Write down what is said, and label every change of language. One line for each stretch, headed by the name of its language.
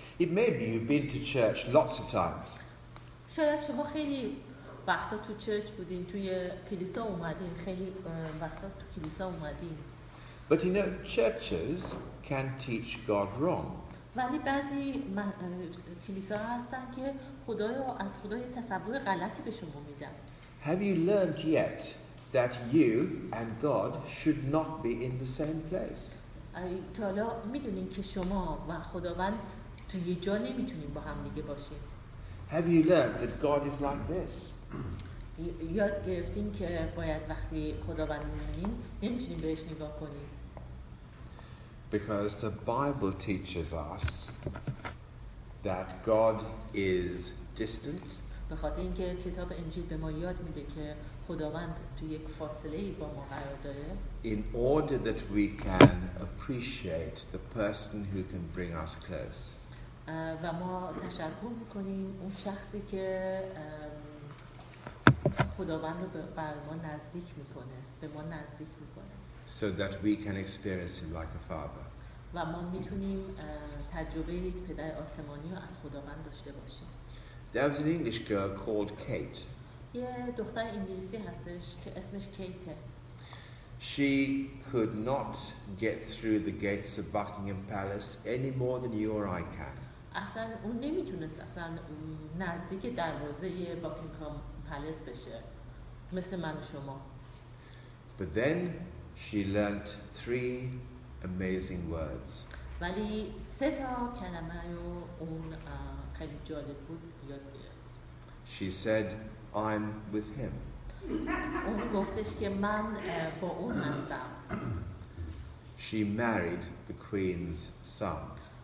English: It may be you've been to church lots of times.
Persian: شاید شما خیلی و وقتا تو چرچ بودین توی کلیسا اومدین خیلی وقتا تو کلیسا اومدین
English: But you know, churches can teach God wrong.
Persian: ولی بعضی کلیسا هستن که خدا رو از خدا یه تصور غلطی به شما میدن.
English: Have you learned yet that you and God should not be in the same place?
Persian: تا حالا میدونین که شما و خداوند تو یه جا نمیتونین با هم دیگه باشین.
English: Have you learned that God is like this?
Persian: یاد گرفتین که باید وقتی خداوند میبینین نمیتونین بهش نگاه کنین.
English: Because the Bible teaches us that God is distant.
Persian: به خاطر اینکه کتاب انجیل به ما یاد میده که خداوند تو یک فاصله ای با ما قرار داره.
English: In order that we can appreciate the person who can bring us close.
Persian: و ما تشکر میکنیم اون شخصی که خداوند رو بر ما نزدیک میکنه، به ما نزدیک میکنه.
English: So that we can experience him like a father.
Persian: و ما میتونیم تجربه یک پدر آسمانی رو از خداوند داشته باشیم.
English: There was an English girl called Kate.
Persian: یه دختر انگلیسی هستش که اسمش کیته.
English: She could not get through the gates of Buckingham Palace any more than you or I can.
Persian: اصلا اون نمیتونست اصلا نزدیک دروازه باکینگهام پالاس بشه مثل من و شما.
English: But then she learnt three amazing words.
Persian: ولی سه تا کلمه رو اون خیلی جالب بود یاد گرفت.
English: She said, "I'm with him."
Persian: اون گفتش که من با اون هستم.
English: She married the Queen's son.